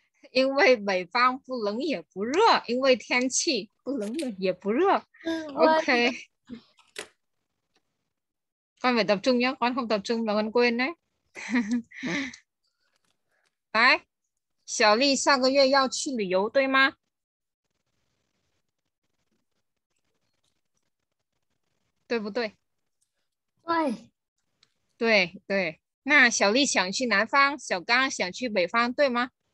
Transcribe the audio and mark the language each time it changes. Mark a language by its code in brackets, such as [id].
[zh] 因为北方不冷也不热，因为天气不冷也不热。 OK。 [vi] Con phải tập trung nhé, con không tập trung là con quên đấy. [zh] Đấy, Xiao Li 下个月要去旅游，对吗？对不对？对对，那小丽想去南方，小刚想去北方，对吗？